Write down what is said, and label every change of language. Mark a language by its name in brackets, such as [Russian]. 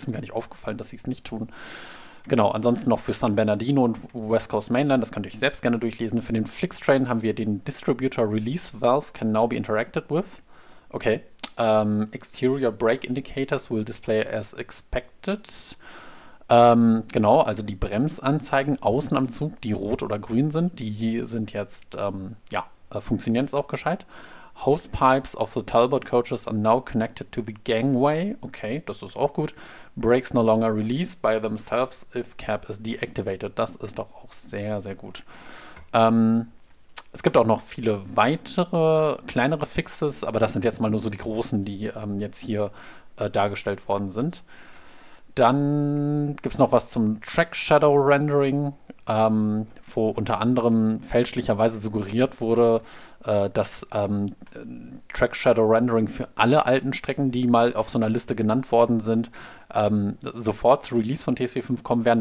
[German] Ist mir gar nicht aufgefallen, dass sie es nicht tun. Genau, ansonsten noch für San Bernardino und West Coast Mainland, das könnt ihr euch selbst gerne durchlesen. Für den FlixTrain haben wir den [English] Distributor Release Valve can now be interacted with. Okay, Exterior Brake Indicators will display as expected. [German] Genau, also die Bremsanzeigen außen am Zug, die rot oder grün sind, die sind jetzt, funktionieren jetzt auch gescheit. [English] Hosepipes of the Talbot Coaches are now connected to the gangway. Okay, [German] das ist auch gut. [English] Brakes no longer release by themselves if cab is deactivated. [German] Das ist doch auch sehr, sehr gut. Es gibt auch noch viele weitere kleinere Fixes, aber das sind jetzt mal nur so die großen, die jetzt hier dargestellt worden sind. Dann gibt es noch was zum Track Shadow Rendering, wo unter anderem fälschlicherweise suggeriert wurde, dass Track Shadow Rendering für alle alten Strecken, die mal auf so einer Liste genannt worden sind, sofort zu Release von TSW 5 kommen werden.